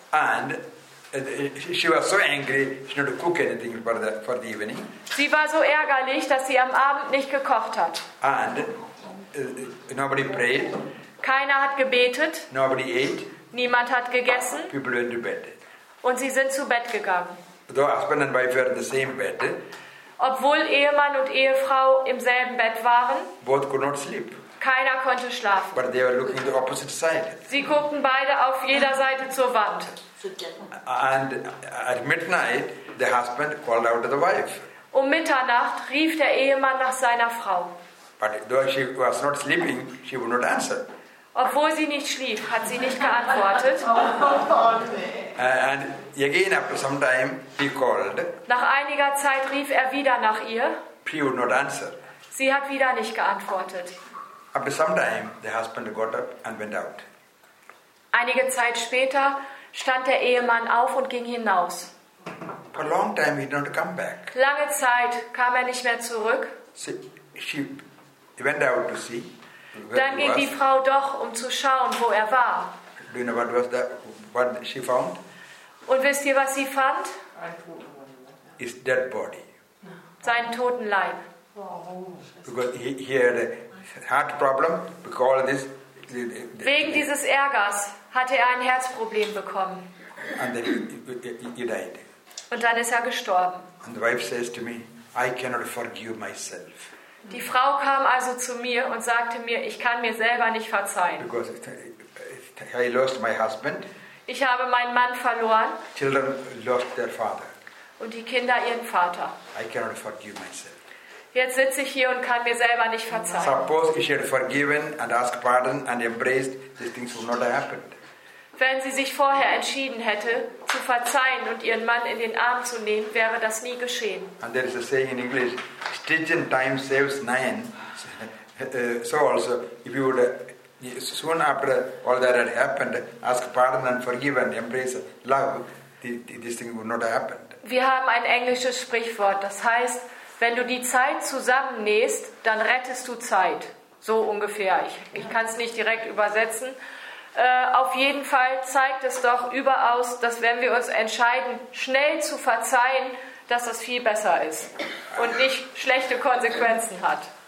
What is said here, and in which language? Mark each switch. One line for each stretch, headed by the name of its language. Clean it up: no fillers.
English: And she was so angry she didn't cook anything for the evening.
German: Sie war so ärgerlich, dass sie am Abend nicht gekocht hat.
English: And nobody prayed.
German: Keiner hat gebetet.
English: Nobody ate.
German: Niemand hat gegessen.
English: People went to bed.
German: Und sie sind zu Bett gegangen.
English: Though husband and wife were in the same bed.
German: Obwohl Ehemann und Ehefrau im selben Bett waren.
English: Both could not sleep.
German: Keiner konnte schlafen.
English: But they were looking the opposite side.
German: Sie guckten beide auf jeder Seite zur Wand.
English: And at midnight, the husband called out to the wife.
German: Um Mitternacht rief der Ehemann nach seiner Frau.
English: But though she was not sleeping, she would not answer.
German: Obwohl sie nicht schlief, hat sie nicht geantwortet.
English: And again after some time he called.
German: Nach einiger Zeit rief er wieder nach ihr.
English: She would not answer.
German: Sie hat wieder nicht geantwortet.
English: After some time the husband got up and went out.
German: Einige Zeit später stand der Ehemann auf und ging hinaus.
English: For a long time he did not come back.
German: Lange Zeit kam er nicht mehr zurück.
English: She went out to see.
German: Dann ging die Frau doch, um zu schauen, wo er war.
English: Do you know what was that, what she found?
German: Und wisst ihr, was sie fand?
English: His dead body.
German: Seinen toten Leib.
English: Because he had a heart problem, because of this.
German: Wegen dieses Ärgers hatte er ein Herzproblem bekommen.
English: And then he died.
German: Und dann ist er gestorben.
English: And the wife says to me, I cannot forgive myself.
German: Die Frau kam also zu mir und sagte mir, ich kann mir selber nicht verzeihen.
English: Because I lost my husband.
German: Ich habe meinen Mann verloren.
English: Children lost their father.
German: Und die Kinder ihren Vater.
English: I cannot forgive myself.
German: Jetzt sitze ich hier und kann mir selber nicht verzeihen.
English: Suppose if she had forgiven and asked pardon and embraced, these things would not have happened.
German: Wenn sie sich vorher entschieden hätte, zu verzeihen und ihren Mann in den Arm zu nehmen, wäre das nie geschehen.
English: And there is a saying in English, stitch in time saves nine. So also, if you would, soon after all that had happened, ask pardon and forgive and embrace love, this thing would not have happened.
German: Wir haben ein englisches Sprichwort, das heißt, wenn du die Zeit zusammennähst, dann rettest du Zeit. So ungefähr. Ich kann es nicht direkt übersetzen. Auf jeden Fall zeigt es doch überaus, dass wenn wir uns entscheiden, schnell zu verzeihen, dass das viel besser ist und nicht schlechte Konsequenzen hat.